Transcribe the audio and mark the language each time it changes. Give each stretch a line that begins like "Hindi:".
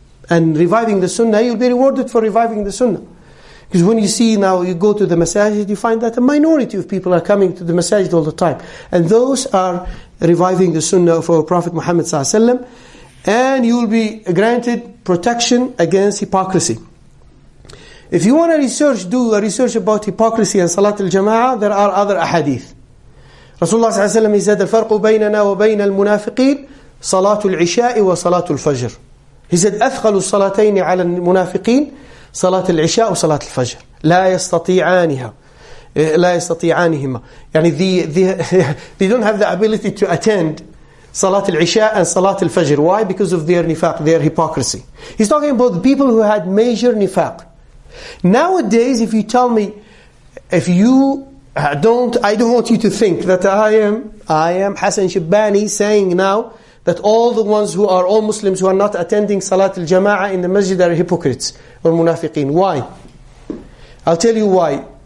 English: And reviving the sunnah, you'll be rewarded for reviving the sunnah. Because when you see now, you go to the masajid, you find that a minority of people are coming to the masajid all the time. And those are reviving the sunnah of our Prophet Muhammad sallallahu alayhi wasallam. And you'll be granted protection against hypocrisy. If you want to research, do a research about hypocrisy and Salat al-Jama'ah, there are other ahadith. Rasulullah sallallahu alayhi wa sallam said,
Arabic: الفرق بيننا وبين المنافقين صلاة العشاء وصلاة الفجر.
English: He said,
Arabic: أثقل الصلاتين على المنافقين صلاة العشاء وصلاة الفجر. لا يستطيعانها. لا يستطيعانهما. يعني
English: they don't have the ability to attend Salat al-Isha and Salat al-Fajr. Why? Because of their nifaq, their hypocrisy. He's talking about the people who had major nifaq. Nowadays, if you tell me, I don't want you to think that I am Hassan Shabbani saying now that all the ones who are all Muslims who are not attending Salat al-Jama'ah in the masjid are hypocrites or munafiqeen. Why? I'll tell you why.